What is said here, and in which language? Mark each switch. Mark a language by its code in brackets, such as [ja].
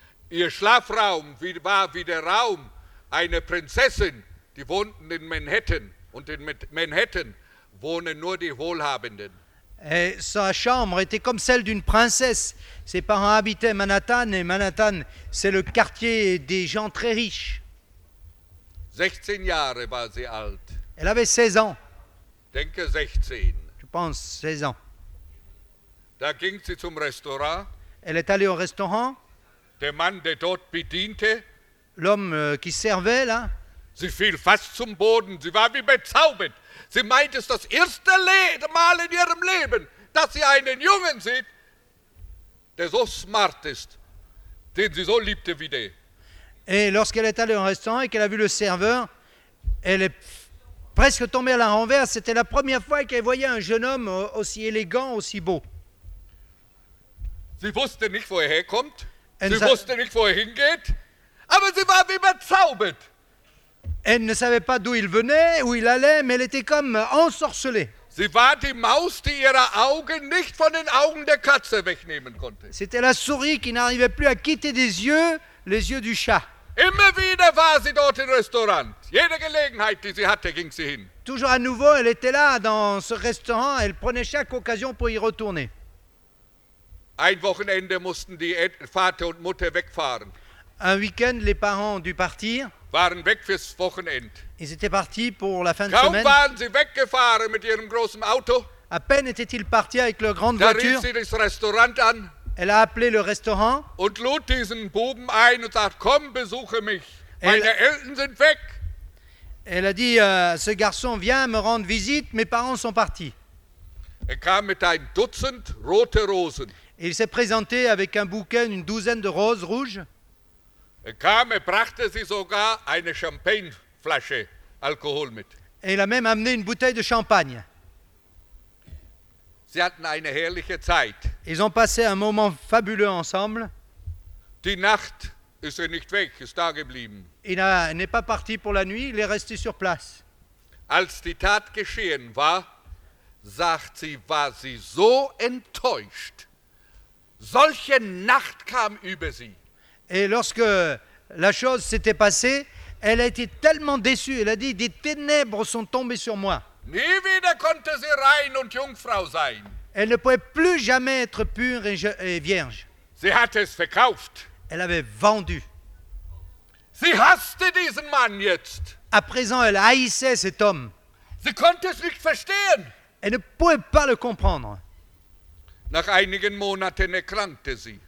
[de] Ihr Schlafraum war wie der Raum einer Prinzessin, die wohnten in Manhattan. Und in Manhattan wohnen nur die Wohlhabenden. [fr] Et sa chambre était comme celle d'une princesse. Ses parents habitaient Manhattan et Manhattan, c'est le quartier des gens très riches. [de] 16 Jahre war sie alt. [fr] Elle avait 16 ans. [de] Denke 16. [fr] Je pense 16 ans. [de] Da ging sie zum Restaurant. [fr] Elle est allée au restaurant. [de] Der Mann, der dort bediente. [fr] L'homme qui servait là. [de] Sie fiel fast zum Boden, sie war wie bezaubert. Sie meinte, es ist das erste Mal in ihrem Leben, dass sie einen Jungen sieht, der so smart ist, den sie so liebte wie der. [fr] Et lorsqu'elle est allée au restaurant et qu'elle a vu le serveur, elle est presque tombée à la renverse. C'était la première fois qu'elle voyait un jeune homme aussi élégant, aussi beau. [de] Sie wusste nicht, wo er herkommt. Sie wusste nicht, wo er hingeht. Aber sie war wie bezaubert. [fr] Elle ne savait pas d'où il venait, où il allait, mais elle était comme ensorcelée. [de] Sie war die Maus, die ihre Augen nicht von den Augen der Katze wegnehmen konnte. [fr] C'était la souris qui n'arrivait plus à quitter des yeux, les yeux du chat. [de] Immer wieder war sie dort im Restaurant. Jede Gelegenheit, die sie hatte, ging sie hin. [fr] Toujours à nouveau, elle était là dans ce restaurant. Elle prenait chaque occasion pour y retourner. [de] Ein Wochenende mussten die Vater und Mutter wegfahren. [fr] Un week-end, les parents ont dû partir. [de] Waren weg fürs Wochenende. [fr] Ils étaient partis pour la fin [de] Kaum [fr] de semaine. [de] Kaum waren sie weggefahren mit ihrem großen Auto. [fr] À peine étaient-ils partis avec leur grande voiture. [de] Da rief sie das Restaurant an. [fr] Elle a appelé le restaurant. [de] Und lud diesen Buben ein und sagt, komm, besuche mich. Meine Eltern sind weg. [fr] Elle a dit, ce garçon, viens me rendre visite, mes parents sont partis. [de] Er kam mit ein Dutzend rote Rosen. [fr] Il s'est présenté avec un bouquet, une douzaine de roses rouges. [de] Er kam, er brachte sie sogar eine Champagneflasche Alkohol mit. [fr] Et il a même amené une bouteille de champagne. [de] Sie hatten eine herrliche Zeit. [fr] Ils ont passé un moment fabuleux ensemble. [de] Die Nacht ist er nicht weg, ist da geblieben. [fr] Il n'est pas parti pour la nuit, il est resté sur place. [de] Als die Tat geschehen war, sagt sie, war sie so enttäuscht. Solche Nacht kam über sie. [fr] Et lorsque la chose s'était passée, elle a été tellement déçue. Elle a dit, des ténèbres sont tombées sur moi. [de] Nie wieder konnte sie rein und Jungfrau sein. [fr] Elle ne pouvait plus jamais être pure et vierge. [de] Sie hat es verkauft. [fr] Elle avait vendu. [de] Sie hasste diesen Mann jetzt. [fr] À présent, elle haïssait cet homme. [de] Sie konnte es nicht verstehen. [fr] Elle ne pouvait pas le comprendre. [de] Nach einigen Monaten erkrankte sie.